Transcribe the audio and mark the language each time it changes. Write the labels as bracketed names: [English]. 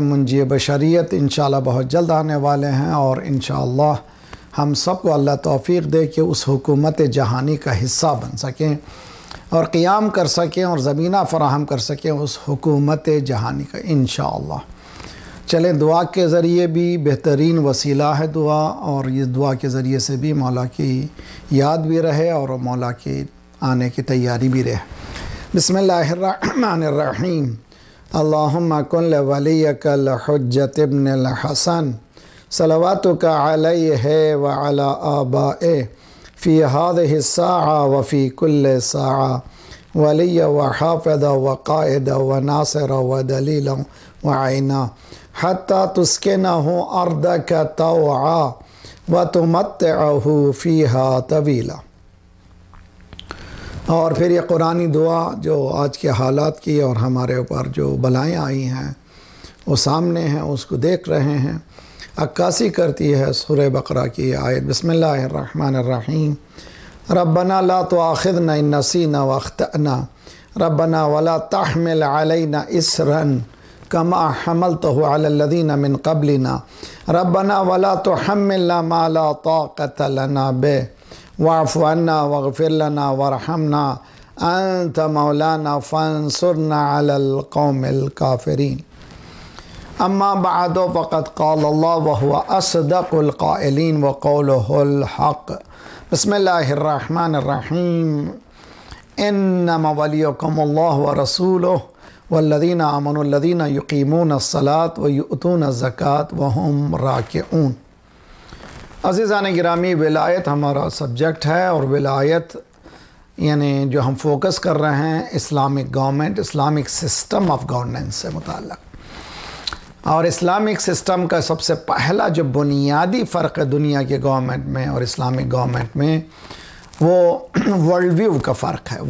[Urdu] منجی بشریت انشاءاللہ بہت جلد آنے والے ہیں، اور انشاءاللہ ہم سب کو اللہ توفیق دے کہ اس حکومت جہانی کا حصہ بن سکیں اور قیام کر سکیں اور زمینہ فراہم کر سکیں اس حکومت جہانی کا انشاءاللہ. چلیں، دعا کے ذریعے بھی بہترین وسیلہ ہے دعا، اور یہ دعا کے ذریعے سے بھی مولا کی یاد بھی رہے اور مولا کے آنے کی تیاری بھی رہے. [Arabic] بسم اللہ الرحمن الرحیم. اللهم كن لوليك الحجة ابن الحسن صلواتك عليه وعلى آبائه في هذه الساعة وفي كل ساعة وليا وحافظا وقائدا وناصرا ودليلا وعينا حتى تسكنه أرضك طوعا وتمتعه فيها طويلا. [Urdu] اور پھر یہ قرآنی دعا جو آج کے حالات کی اور ہمارے اوپر جو بلائیں آئی ہیں وہ سامنے ہیں، اس کو دیکھ رہے ہیں، عکاسی کرتی ہے سورہ بقرہ کی آیت. [Arabic] بسم اللہ الرحمن الرحیم. ربنا لا تؤاخذنا ان نسینا واخطأنا، ربنا ولا تحمل علینا اسرا كما حملته على الذين من قبلنا، ربنا ولا تحملنا ما لا طاقة لنا به، واعف عنا واغفر لنا وارحمنا، انت مولانا فانصرنا على القوم الكافرين. اما بعد، فقد قال الله وهو اصدق القائلين وقوله الحق. بسم الله الرحمن الرحيم. انما وليكم الله ورسوله والذين امنوا الذين يقيمون الصلاه ويؤتون الزكاه وهم راكعون. [Urdu] عزیزان گرامی، ولایت ہمارا سبجیکٹ ہے، اور ولایت یعنی جو ہم فوکس کر رہے ہیں [English] Islamic government, Islamic system of governance [Urdu] سے متعلق. اور اسلامک سسٹم کا سب سے پہلا جو بنیادی فرق ہے دنیا کے گورنمنٹ میں اور اسلامک گورنمنٹ میں، وہ ورلڈ ویو کا فرق ہے.